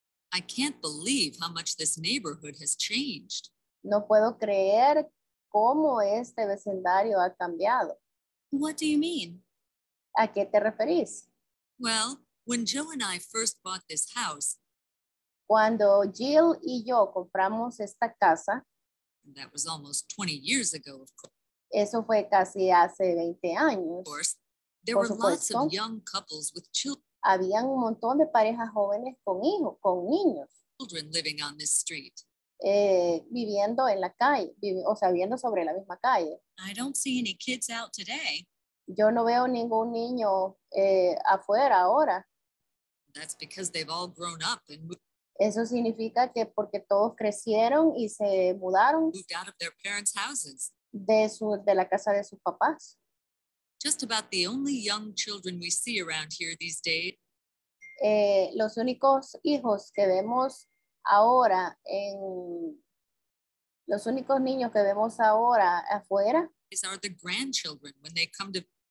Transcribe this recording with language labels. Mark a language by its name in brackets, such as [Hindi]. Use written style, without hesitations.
[English] I can't believe how much this neighborhood has changed. [Spanish] No puedo creer cómo este vecindario ha cambiado. [English] What do you mean? [Spanish] ¿A qué te referís? [English] Well, when Joe and I first bought this house. [Spanish] Cuando Jill y yo compramos esta casa. [English] That was almost 20 years ago, of course. [Spanish] Eso fue casi hace 20 años. [English] Of course, there were lots of young couples with children. [Spanish] Habían un montón de parejas jóvenes con hijos, con niños. [English] Children living on this street. [Spanish] Viviendo en la calle, viviendo sobre la misma calle. [English] I don't see any kids out today. [Spanish] Yo no veo ningún niño afuera ahora. [English] That's because they've all grown up and moved. [Spanish] Eso significa que porque todos crecieron y se mudaron [English] moved out of their parents' houses. [Spanish] De la casa de sus papás. [English] Just about the only young children we see around here these days. [Spanish] Los únicos hijos que vemos ahora en los únicos niños que vemos ahora afuera [English] is are the grandchildren when they come to